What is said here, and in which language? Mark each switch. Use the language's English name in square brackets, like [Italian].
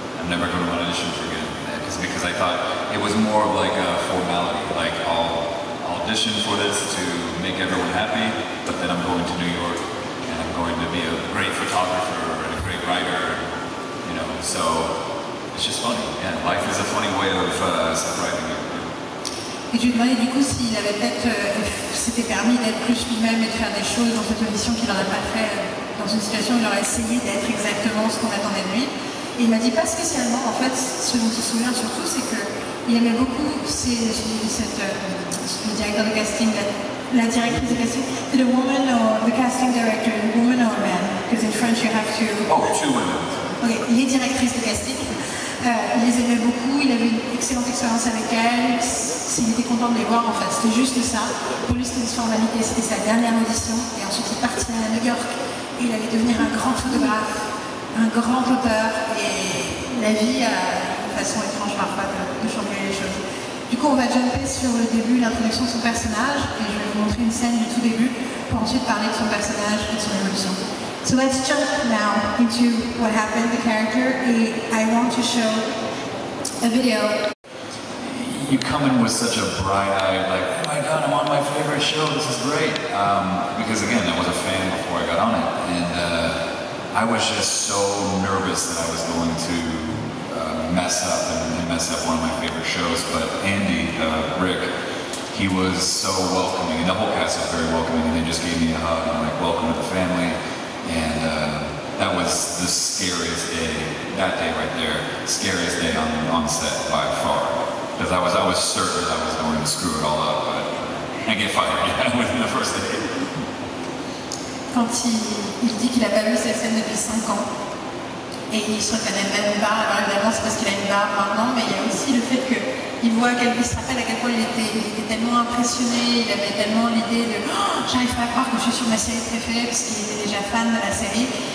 [English] I'm never going to audition for again. Because I thought it was more of like a formality, like I'll audition for this to make everyone happy, but then I'm going to New York, and I'm going to be a great photographer and a great writer, you know. So it's just funny. Yeah, life is a funny way of surprising you. [French] Et je lui ai demandé du coup s'il avait peut-être s'était permis d'être plus lui-même et de faire des choses dans cette audition qu'il n'aurait pas fait dans une situation où il aurait essayé d'être exactement ce qu'on attendait de lui. Et il m'a dit pas spécialement, en fait, ce dont il se souvient surtout, c'est qu'il aimait beaucoup le directeur de casting, la directrice de casting, [English] the woman or the casting director, woman or man, because in French you have to... Oh, two women. [French] Ok, les directrices de casting. Il les aimait beaucoup, il avait une excellente expérience avec elles, il était content de les voir en fait, c'était juste ça. Pour lui c'était une formalité, c'était sa dernière audition, et ensuite il partit à New York, et il allait devenir un grand photographe, un grand auteur, et la vie a une façon étrange parfois de changer les choses. Du coup on va jumper sur le début, l'introduction de son personnage, et je vais vous montrer une scène du tout début, pour ensuite parler de son personnage et de son évolution. [English] So let's jump now into what happened, the character. I want to show a video. You come in with such a bright eye, like, oh my god, I'm on my favorite show, this is great. Because again, I was a fan before I got on it. And I was just so nervous that I was going to mess up one of my favorite shows. But Andy, Rick, he was so welcoming, and the whole cast was very welcoming, and they just gave me a hug, and I'm like, welcome to the family. And that was the scariest day, that day right there, scariest day on set by far. Because I was certain I was going to screw it all up, but I get fired, yeah, within the first day. [French] Quand il dit qu'il a pas vu cette scène depuis 5 ans, et il se reconnaît même pas, alors évidemment c'est parce qu'il a une barre maintenant, mais il y a aussi le fait qu'il voit qu'il se rappelle à quel point il était tellement impressionné, il avait tellement l'idée de oh, « j'arrive pas à croire que je suis sur ma série préférée » parce qu'il était déjà fan de la série.